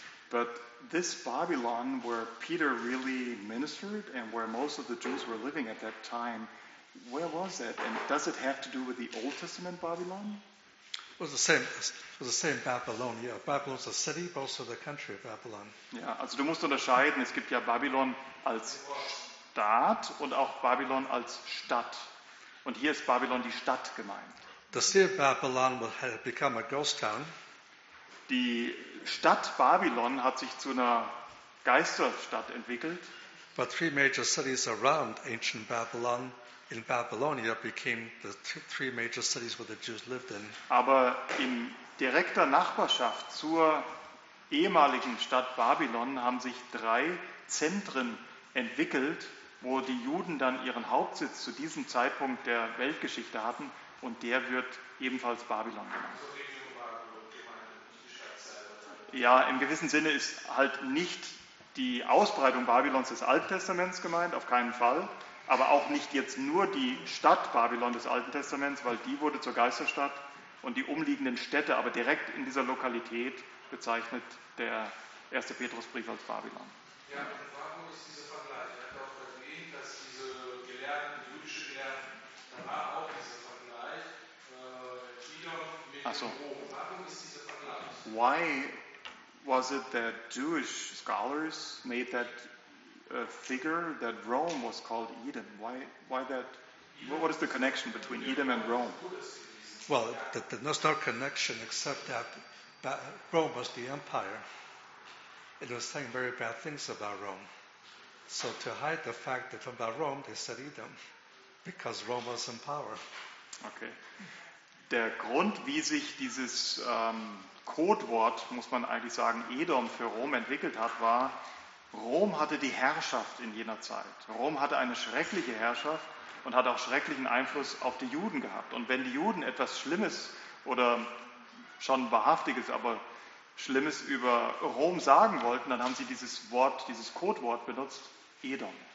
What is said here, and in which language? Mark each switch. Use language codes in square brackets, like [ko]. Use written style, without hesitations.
[en] But this Babylon, where Peter really ministered and where most of the Jews were living at that time, where was it? And does it have to do with the Old Testament Babylon? It was the same Babylon. Yeah, Babylon's a city, but also the country of Babylon. [de] Ja, also du musst unterscheiden. Es gibt ja Babylon als Staat und auch Babylon als Stadt. Und hier ist Babylon die Stadt gemeint. [en] The city of Babylon had become a ghost town. [de] Die Stadt Babylon hat sich zu einer Geisterstadt entwickelt. [en] But three major cities around ancient Babylon in Babylonia became the three major cities where the Jews lived in. [de] Aber in direkter Nachbarschaft zur ehemaligen Stadt Babylon haben sich drei Zentren entwickelt, wo die Juden dann ihren Hauptsitz zu diesem Zeitpunkt der Weltgeschichte hatten, und der wird ebenfalls Babylon genannt. Ja, im gewissen Sinne ist halt nicht die Ausbreitung Babylons des Alten Testaments gemeint, auf keinen Fall, aber auch nicht jetzt nur die Stadt Babylon des Alten Testaments, weil die wurde zur Geisterstadt, und die umliegenden Städte, aber direkt in dieser Lokalität bezeichnet der erste Petrusbrief als Babylon. Ja, und warum ist dieser Vergleich? Er hat auch erwähnt, dass diese Gelehrten, jüdische Gelehrten, da war auch dieser Vergleich, Babylon mit Rom. Warum ist dieser Vergleich? [en] Why was it that Jewish scholars made that figure that Rome was called Eden? Why that? What is the connection between Edom and Rome? Well, there's no connection except that Rome was the empire. It was saying very bad things about Rome. So to hide the fact that from about Rome, they said Edom, because Rome was in power. Okay. [de] Der Grund, wie sich dieses Codewort, muss man eigentlich sagen, Edom für Rom entwickelt hat, war, Rom hatte die Herrschaft in jener Zeit. Rom hatte eine schreckliche Herrschaft und hat auch schrecklichen Einfluss auf die Juden gehabt. Und wenn die Juden etwas Schlimmes oder schon Wahrhaftiges, aber Schlimmes über Rom sagen wollten, dann haben sie dieses Wort, dieses Codewort benutzt, Edom.